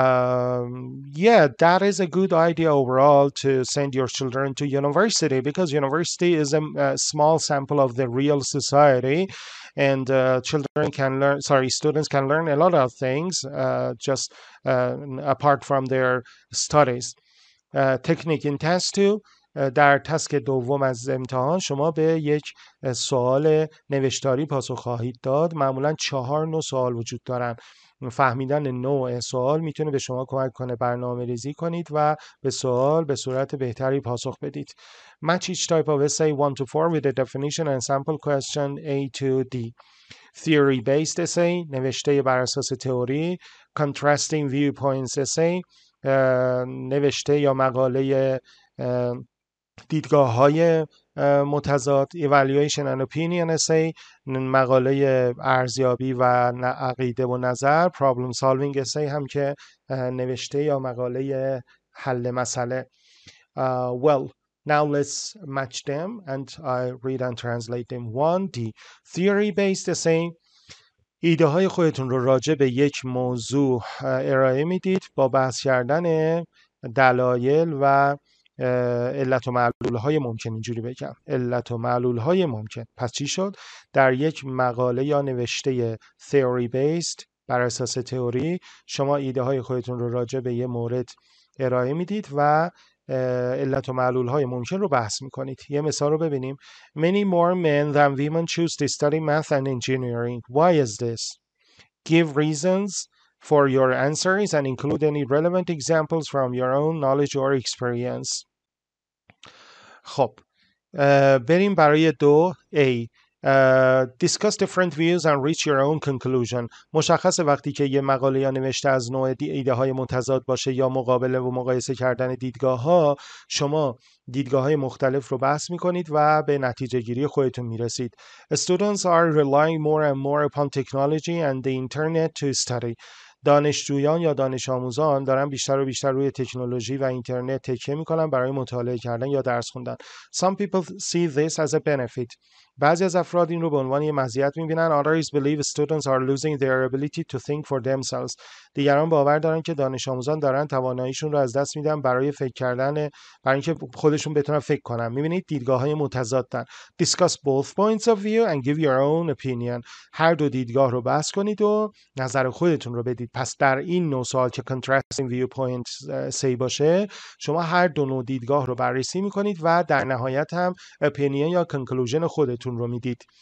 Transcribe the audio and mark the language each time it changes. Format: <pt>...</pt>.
<en>That is a good idea overall to send your children to university because university is a small sample of the real society and students can learn a lot of things apart from their studies. Technique in test 2,</en> <fa>در تسک دوم از امتحان شما به یک سوال نوشتاری پاسخ خواهید داد. معمولا 4 نوع سوال وجود دارن. فهمیدن نوع سوال میتونه به شما کمک کنه برنامه ریزی کنید و به سوال به صورت بهتری پاسخ بدید.</fa> <en>Match each type of essay 1 to 4 with a definition and sample question A to D. Theory based essay,</en> <fa>نوشته بر اساس تئوری.</fa> <en>Contrasting viewpoints essay,</en> <fa>نوشته یا مقاله دیدگاه های متضاد.</fa> <en>Evaluation and opinion essay,</en> <fa>مقاله ارزیابی و عقیده و نظر.</fa> <en>Problem solving essay</en> <fa>هم که نوشته یا مقاله حل مسئله.</fa> <en>Well, now let's match them and I read and translate them.</en> <fa>1D,</fa> <en>theory based essay,</en> <fa>ایده های خودتون رو راجع به یک موضوع ارائه میدید با بحث کردن دلایل و علت و معلول های ممکن. اینجوری بگم علت و معلول های ممکن. پس چی شد؟ در یک مقاله یا نوشته theory based بر اساس تئوری شما ایده های خودتون رو راجع به یه مورد ارائه میدید و علت و معلول های ممکن رو بحث میکنید. یه مثال رو ببینیم.</fa> <en>Many more men than women choose to study math and engineering. Why is this? Give reasons for your answers and include any relevant examples from your own knowledge or experience.</en> <fa>خب بریم برای 2. A.</fa> <en>Discuss different views and reach your own conclusion.</en> <fa>مشخص وقتی که یه مقاله یا نوشته از نوع ایده های متضاد باشه یا مقابله و مقایسه کردن دیدگاه ها، شما دیدگاه های مختلف رو بحث می کنید و به نتیجه گیری خودتون می رسید.</fa> <en>Students are relying more and more upon technology and the internet to study.</en> <fa>دانشجویان یا دانش آموزان دارن بیشتر و بیشتر روی تکنولوژی و اینترنت تکیه میکنن برای مطالعه کردن یا درس خوندن.</fa> <en>Some people see this as a benefit.</en> <fa>بعضی از افراد این رو به عنوان یه مزیت میبینن.</fa> <en>Others believe students are losing their ability to think for themselves.</en> <fa>دیگران باور دارن که دانش آموزان دارن تواناییشون رو از دست میدن برای فکر کردن، برای اینکه خودشون بتونن فکر کنن. میبینید دیدگاه های متضادن.</fa> <en>Discuss both points of view and give your own opinion.</en> <fa>هر دو دیدگاه رو بحث کنید و نظر خودتون رو بدید. پس در این نوع سوال که</fa> <en>contrasting viewpoint</en> <fa>سی باشه، شما هر دو نوع دیدگاه رو بررسی میکنید و در نهایت هم opinion یا conclusion خودتون رو میدید.</fa>